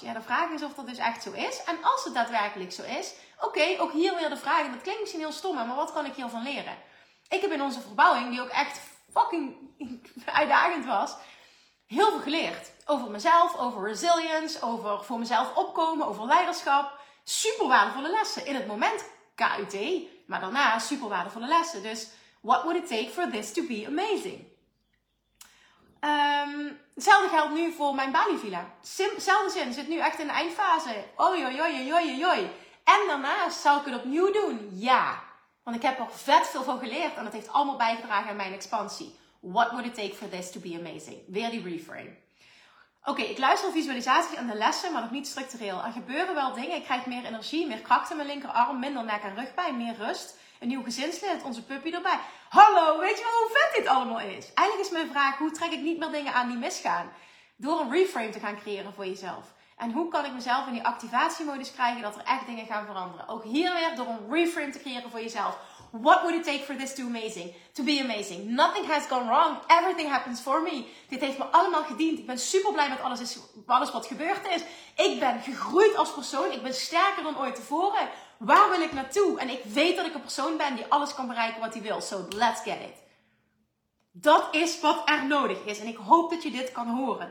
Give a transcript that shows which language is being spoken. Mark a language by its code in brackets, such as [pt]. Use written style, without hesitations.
[nl] Ja, de vraag is of dat dus echt zo is. En als het daadwerkelijk zo is, oké, ook hier weer de vraag. En dat klinkt misschien heel stom, maar wat kan ik hiervan leren? Ik heb in onze verbouwing, die ook echt fucking uitdagend was, heel veel geleerd. Over mezelf, over resilience, over voor mezelf opkomen, over leiderschap. Super waardevolle lessen. In het moment KUT, maar daarna super waardevolle lessen. Dus [en] what would it take for this to be amazing? [nl] Hetzelfde geldt nu voor mijn Bali Villa. Zelfde zin, zit nu echt in de eindfase. Oi. En daarnaast zou ik het opnieuw doen? Ja. Want ik heb er vet veel van geleerd en dat heeft allemaal bijgedragen aan mijn expansie. [en] What would it take for this to be amazing? [nl] Weer die reframe. Oké, ik luister visualisaties aan de lessen, maar nog niet structureel. Er gebeuren wel dingen. Ik krijg meer energie, meer kracht in mijn linkerarm, minder nek en rugpijn, meer rust. Een nieuw gezinslid, onze puppy erbij. Hallo, weet je wel hoe vet dit allemaal is? Eigenlijk is mijn vraag, hoe trek ik niet meer dingen aan die misgaan? Door een reframe te gaan creëren voor jezelf. En hoe kan ik mezelf in die activatiemodus krijgen dat er echt dingen gaan veranderen? Ook hier weer door een reframe te creëren voor jezelf. [en] What would it take for this to be amazing? Nothing has gone wrong. Everything happens for me. [nl] Dit heeft me allemaal gediend. Ik ben super blij met alles wat gebeurd is. Ik ben gegroeid als persoon. Ik ben sterker dan ooit tevoren. Waar wil ik naartoe? En ik weet dat ik een persoon ben die alles kan bereiken wat hij wil. [en] So let's get it. [nl] Dat is wat er nodig is. En ik hoop dat je dit kan horen.